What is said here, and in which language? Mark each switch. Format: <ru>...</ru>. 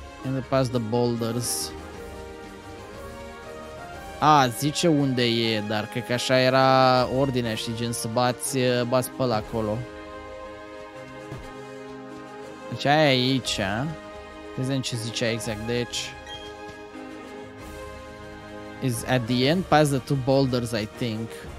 <en>In the past the boulders.</en> <ro>A, zice unde e, dar cred că așa era ordinea, și gen să bați, bați pe ăla acolo. Deci aia e aici, a? Vedeți ce zicea exact, deci...</ro> <en>Is at the end past the two boulders, I think.</en>